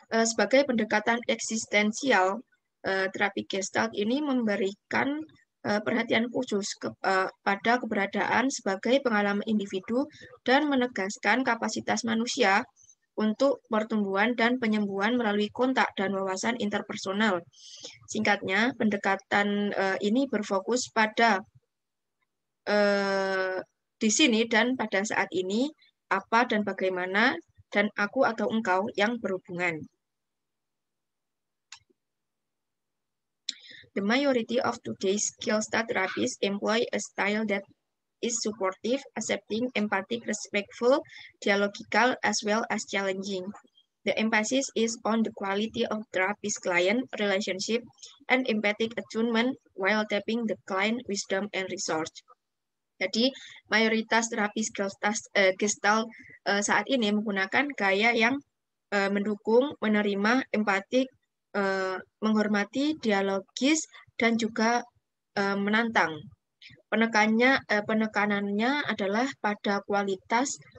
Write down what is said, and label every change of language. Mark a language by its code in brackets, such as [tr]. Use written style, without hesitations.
[id] Sebagai pendekatan eksistensial, terapi Gestalt ini memberikan perhatian khusus pada keberadaan sebagai pengalaman individu dan menegaskan kapasitas manusia untuk pertumbuhan dan penyembuhan melalui kontak dan wawasan interpersonal. Singkatnya, pendekatan ini berfokus pada di sini dan pada saat ini, apa dan bagaimana, dan aku atau engkau yang berhubungan. [en] The majority of today's Gestalt therapists employ a style that is supportive, accepting, empathic, respectful, dialogical, as well as challenging. The emphasis is on the quality of therapist-client relationship and empathic attunement while tapping the client wisdom and resource. [id] Jadi, mayoritas terapis Gestalt saat ini menggunakan gaya yang mendukung, menerima, empatik, menghormati, dialogis, dan juga menantang. Penekanannya adalah pada kualitas